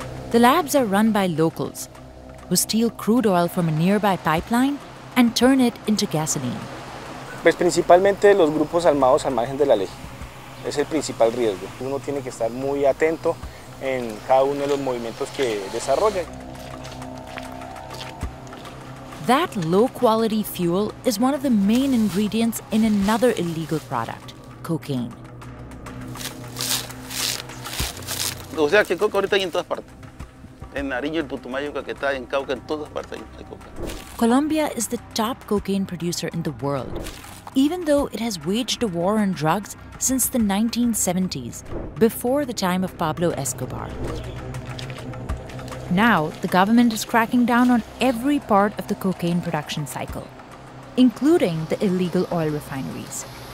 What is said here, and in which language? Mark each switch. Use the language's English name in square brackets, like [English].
[English] The labs are run by locals who steal crude oil from a nearby pipeline and turn it into gasoline. [Spanish] Pues principalmente los grupos armados al margen de la ley. Es el principal riesgo. Uno tiene que estar muy atento en cada uno de los movimientos que desarrolla. [English] That low-quality fuel is one of the main ingredients in another illegal product, cocaine. [Spanish] O sea, que coca ahorita hay en todas partes. En Nariño, el Putumayo, Caquetá, en Cauca, en todas partes hay coca. [English] Colombia is the top cocaine producer in the world. Even though it has waged a war on drugs since the 1970s, before the time of Pablo Escobar. Now, the government is cracking down on every part of the cocaine production cycle, including the illegal oil refineries.